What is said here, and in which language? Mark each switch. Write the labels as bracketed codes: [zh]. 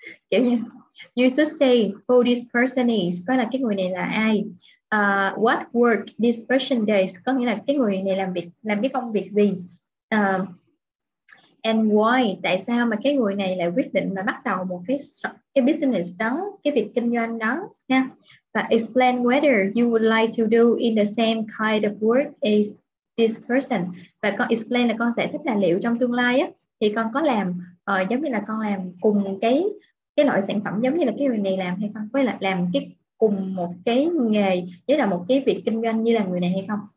[vi] Kiểu như [en] you should say who this person is, [vi] có là cái người này là ai. [en] What work this person does, [vi] có nghĩa là cái người này làm cái công việc gì. [en] And why, [vi] tại sao mà cái người này lại quyết định mà bắt đầu một cái business đó, cái việc kinh doanh đó nha. Và [en] explain whether you would like to do in the same kind of work as this person. [vi] Và con explain là con giải thích là liệu trong tương lai á, thì con có làm giống như là con làm cùng cái loại sản phẩm giống như là cái người này làm hay không, với lại làm cái cùng một cái nghề với là một cái việc kinh doanh như là người này hay không.